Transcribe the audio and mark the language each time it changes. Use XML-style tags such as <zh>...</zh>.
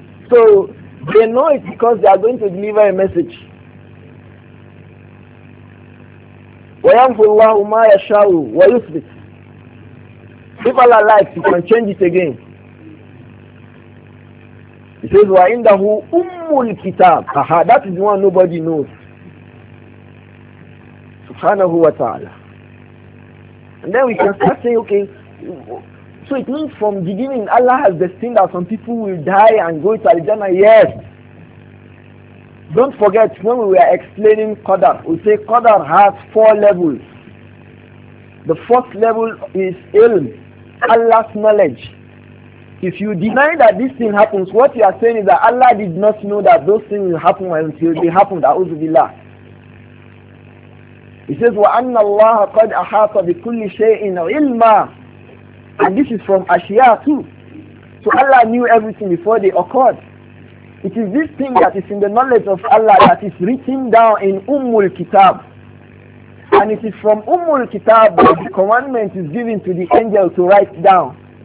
<en>So they know it because they are going to deliver a message.</en> <ar>وَيَنْفُوا مَا يَشَاءُ وَيُثْبِتُ.</ar> <en>If Allah likes, He can change it again. He says,</en> <ar>وَعِنْدَهُ أُمُّ الْكِتَابِ.</ar> <en>Aha, that is the one nobody knows.</en> <ar>سُبْحَانَهُ وَتَعَالَى.</ar> <en>And then we can start saying, okay, so it means from beginning Allah has destined that some people will die and go to Al-Janna. Yes. Don't forget, when we were explaining Qadar, we say Qadar has four levels. The first level is ilm, Allah's knowledge. If you deny that this thing happens, what you are saying is that Allah did not know that those things will happen until they happened.</en> <ar>A'udhu billah.</ar> <en>He says,</en> <ar>وَأَنَّ اللَّهَ قَدْ أَحَاطَ بِكُلِّ شَيْءٍ عِلْمًا.</ar> <en>And this is from Ashiya too. So Allah knew everything before they occurred. It is this thing that is in the knowledge of Allah that is written down in Ummul Kitab. And it is from Ummul Kitab that the commandment is given to the angel to write down.</en>